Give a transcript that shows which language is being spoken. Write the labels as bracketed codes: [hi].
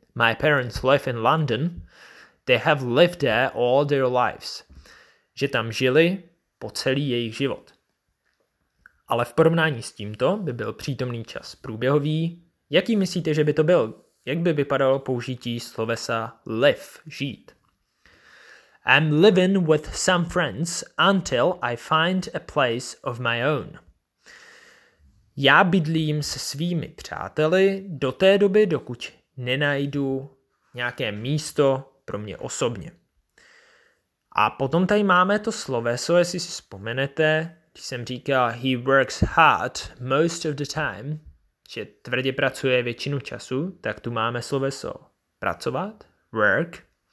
[en] My parents live in London. They have lived there all their lives. [cs] Že tam žili po celý jejich život. Ale v porovnání s tímto by byl přítomný čas průběhový. Jaký myslíte, že by to byl? Jak by vypadalo použití slovesa live, žít? [en] I'm living with some friends until I find a place of my own. [cs] Já bydlím se svými přáteli do té doby, dokud nenajdu nějaké místo pro mě osobně. A potom tady máme to sloveso, jestli si vzpomenete, když jsem říkal [en] he works hard most of the time, [cs] že tvrdě pracuje většinu času, tak tu máme sloveso pracovat, work.